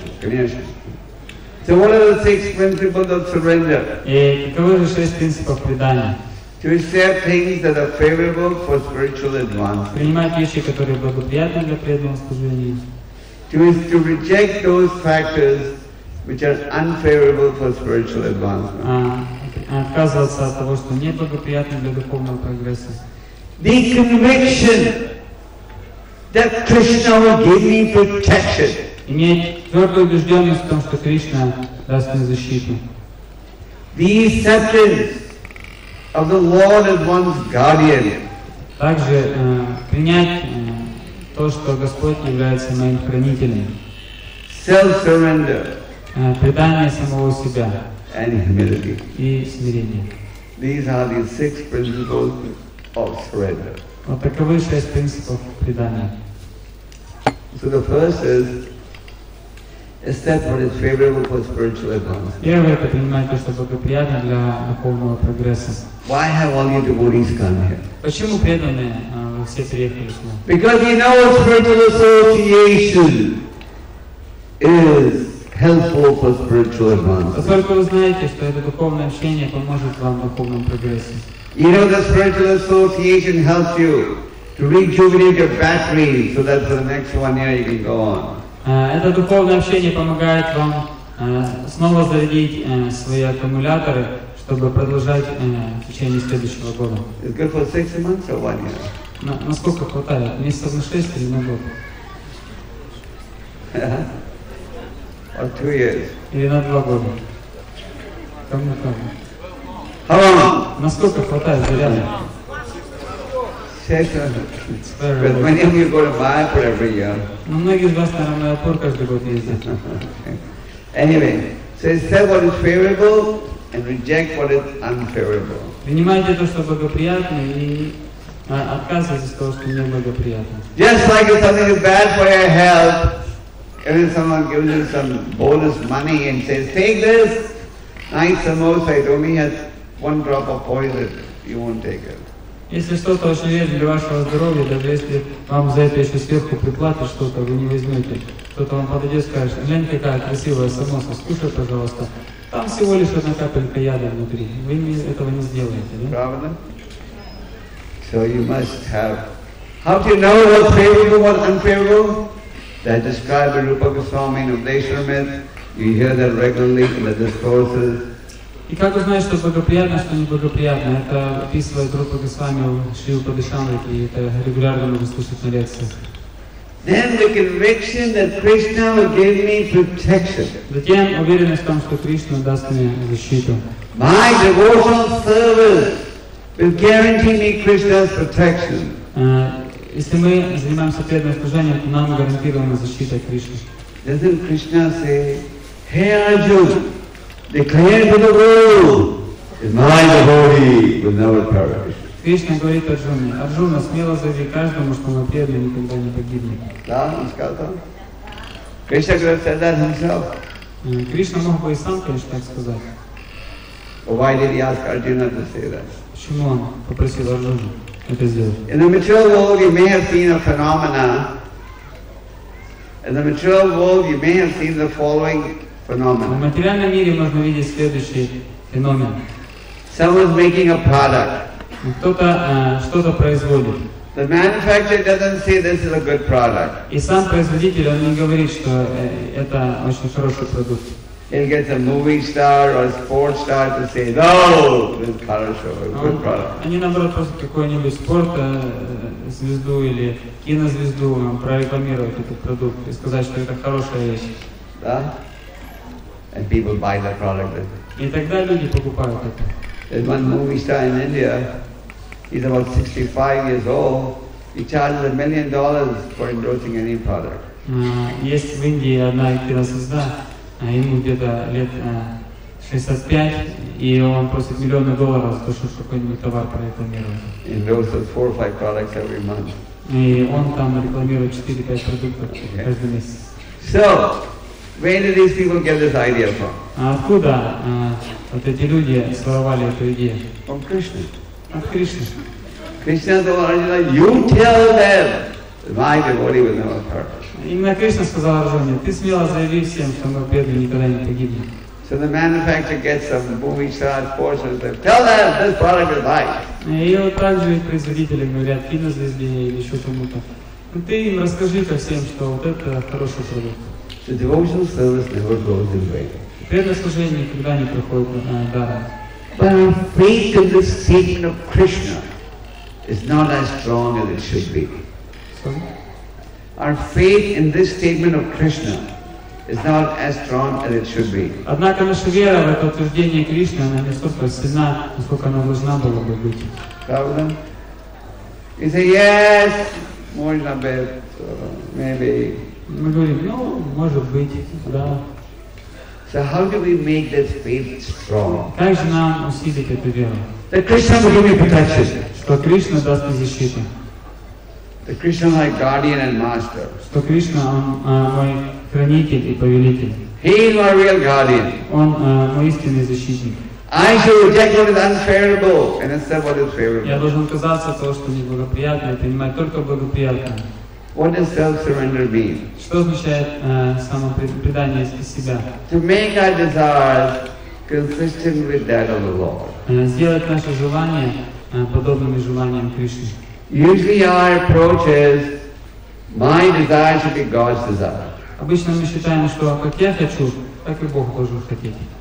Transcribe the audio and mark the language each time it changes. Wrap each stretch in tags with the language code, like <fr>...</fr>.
<en>So what are the six principles of surrender?</en> <ru>Каковы же шесть принципов предания?</ru> <en>To accept things that are favorable for spiritual advancement.</en> <ru>Принимать вещи, которые благоприятны для преданного служения.</ru> <en>To reject those factors which are unfavorable for spiritual advancement.</en> <ru>Отказываться от того, что неблагоприятно для духовного прогресса.</ru> <en>The conviction that Krishna will give me protection.</en> <ru>Иметь твердую убежденность в том, что Кришна даст мне защиту.</ru> <en>The acceptance of the Lord as one's guardian.</en> <ru>Также принять то, что Господь является моим хранителем.</ru> <en>Self-surrender.</en> <ru>Предание самого себя.</ru> <en>And humility.</en> <ru>И смирение.</ru> <en>These are the six principles of surrender.</en> <ru>Вот таковы шесть принципов предания.</ru> <en>So the first is accept what is favorable for spiritual advancement.</en> <ru>Первое, это принимать то, что благоприятно для духовного прогресса.</ru> <en>Why have all your devotees come here?</en> <ru>Почему преданные все приехали сюда?</ru> <en>Because you know spiritual association is helpful for spiritual advancement.</en> <ru>Поскольку вы знаете, что это духовное общение поможет вам в духовном прогрессе.</ru> <en>You know that spiritual association helps you to rejuvenate your battery so that for the next 1 year you can go on.</en> <ru>Это духовное общение помогает вам снова зарядить свои аккумуляторы, чтобы продолжать в течение следующего года.</ru> <en>It's good for 6 months or 1 year?</en> <ru>Насколько хватает? Месяцев на 6 или на год?</ru> <en>Or 2 years?</en> <ru>Или на 2 года? Кому как?</ru> <en>How long?</en> <ru>Насколько хватает заряда?</ru> <en>But many of you go to Mayapur every year.</en> <ru>Многие из вас, наверное, на Майапур каждый год ездят.</ru> <en>Anyway, so accept what is favorable and reject what is unfavorable.</en> <ru>Принимайте то, что благоприятно, и отказывайтесь от того, что неблагоприятно.</ru> <en>Just like if something is bad for your health, and then someone gives you some bonus money and says, take this, nice samosa, it only has one drop of poison, you won't take it.</en> <ru>Если что-то очень вредно для вашего здоровья, даже если вам за это еще сверху приплатят что-то, вы не возьмете, кто-то вам подойдет и скажет, глянь, какая красивая самоса, скушай, пожалуйста. Там всего лишь одна капелька яда внутри. Вы этого не сделаете, да? Правда?</ru> <en>So you must have. How do you know what's favorable, what's unfavorable? That described in Rupa Goswami in Upadeshwara myth. You hear that regularly in the discourses.</en> <ru>И как узнать, что благоприятно, что неблагоприятно? Это описывает Рупа Госвами в Шри Упадешанаме, и это регулярно можно слушать на лекциях.</ru> <en>Then the conviction that Krishna gave me protection.</en> <ru>Затем уверенность в том, что Кришна даст мне защиту.</ru> <en>My devotional service will guarantee me Krishna's protection.</en> <ru>Если мы занимаемся преданным служением, то нам гарантирована защита Кришны.</ru> <en>Doesn't Krishna say, Hey Arjuna, declare to the world that my devotee will never perish.</en> <ru>Кришна говорит Арджуне, Арджуна, смело заяви каждому, что мой преданный никогда не погибнет. Да, он сказал так. Кришна говорит,</ru> <en>said that himself.</en> <ru>Кришна мог бы и сам, конечно, так сказать.</ru> <en>But why did he ask Arjuna to say that?</en> <ru>Почему он попросил Арджуну это сделать?</ru> <en>In the material world, you may have seen a phenomena. In the material world, you may have seen the following phenomena.</en> <ru>В материальном мире можно видеть следующий феномен.</ru> <en>Someone's making a product.</en> <ru>Кто-то что-то производит.</ru> <en>The manufacturer doesn't say this is a good product.</en> <ru>И сам производитель он не говорит, что это очень хороший продукт.</ru> <en>He'll get a movie star or a sports star to say, no, this is</en> <ru>хорошо,</ru> <en>good product.</en> <ru>Они наоборот просто какой-нибудь спорт звезду или кинозвезду прорекламируют этот продукт и сказать, что это хорошая вещь. Да?</ru> <en>And people buy the product.</en> <ru>И тогда люди покупают это.</ru> <en>There's one movie star in India, he's about 65 years old, he charges $1 million for endorsing any product.</en> <ru>Есть в Индии одна кинозвезда, а ему где-то лет 65, и он просит $1 million за то, чтобы какой-нибудь товар прорекламировать.</ru> <en>Endorses 4 or 5 products every month.</en> <ru>И он там рекламирует 4-5 продуктов каждый месяц.</ru> <en>So, where did these people get this idea from?</en> <ru>Откуда? Вот эти люди своровали эту идею.</ru> <en>From Krishna.</en> <ru>От Кришны.</ru> <en>Krishna told Arjuna, you tell them, my devotee will never perish.</en> <ru>Именно Кришна сказал Арджуне, ты смело заяви всем, что мой преданный никогда не погибнет.</ru> <en>So the manufacturer gets some movie star force and says, tell them, this product is mine.</en> <ru>И вот так же и производители говорят, кинозвезде или еще кому-то. Ну ты им расскажи ко всем, что вот это хороший продукт.</ru> <en>The devotional service never goes in vain.</en> <ru>Преданное служение никогда не проходит даром.</ru> <en>But our faith in the statement of Krishna is not as strong as it should be. Sorry? Our faith in this statement of Krishna is not as strong as it should be.</en> <ru>Однако наша вера в это утверждение Кришны, она не столько сильна, насколько она должна была бы быть. Правда?</ru> <en>You say, yes,</en> <ru>можно быть,</ru> <en>maybe.</en> <ru>Мы говорим, ну, может быть, да.</ru> <en>So how do we make this faith strong?</en> <ru>Как же нам усилить эту веру?</ru> <en>That Krishna will give me protection.</en> <ru>Что Кришна даст мне защиту.</ru> <en>That Krishna is my guardian and master.</en> <ru>Что Кришна он мой хранитель и повелитель.</ru> <en>He is my real guardian.</en> <ru>Он мой истинный защитник.</ru> <en>I shall reject what is unfavorable and accept what is favorable.</en> <ru>Я должен отказаться от того, что неблагоприятно, и принимать только благоприятное.</ru> <en>What does self-surrender mean?</en> <ru>Что означает самопредание себя?</ru> <en>To make our desires consistent with that of the Lord.</en> <ru>Сделать наши желания подобными желаниям Кришны.</ru> <en>Usually our approach is my desire should be God's desire.</en> <ru>Обычно мы считаем, что как я хочу, так и Бог должен хотеть.</ru>